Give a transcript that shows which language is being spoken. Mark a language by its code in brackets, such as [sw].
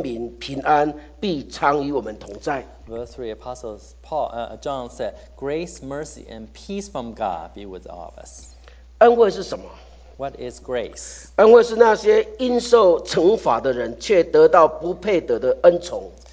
[zh] 第三节，使徒约翰对我们新的一年的问候是恩惠怜悯平安必常与我们同在。 [en] Verse 3, Apostles Paul, John said, grace, mercy, and peace from God be with all of us. [zh] 恩惠是什么？ [en] What is grace? [zh] 恩惠是那些因受惩罚的人却得到不配得的恩宠。